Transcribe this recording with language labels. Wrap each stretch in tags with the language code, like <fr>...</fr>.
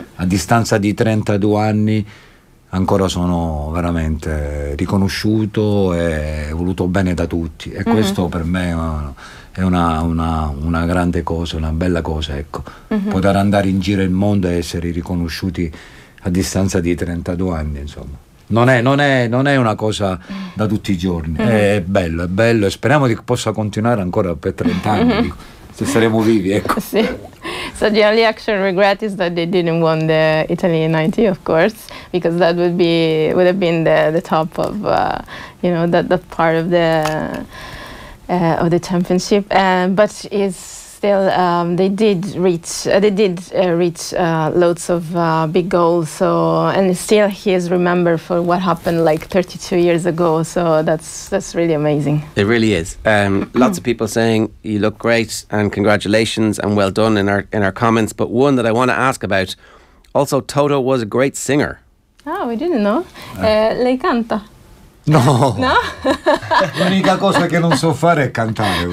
<it>A distanza di 32 anni ancora sono veramente riconosciuto e voluto bene da tutti, e questo per me è una grande cosa, una bella cosa, ecco. Poter andare in giro il mondo e essere riconosciuti a distanza di 32 anni, insomma, non è una cosa da tutti i giorni. È bello e speriamo che possa continuare ancora per 30 anni, se saremo vivi, ecco. Sì.</it> <en>So the only actual regret is that they didn't win the Italy 90, of course, because that would have been the top of that part of the championship. But it's still, they did reach loads of big goals. So, and still he is remembered for what happened like 32 years ago. So that's really amazing. It really is. Lots of people saying you look great and congratulations and well done in our comments. But one that I want to ask about, also Toto was a great singer. Ah, we didn't know.</en> <it>Lei canta. No, no? L'unica cosa che non so fare è cantare.</it>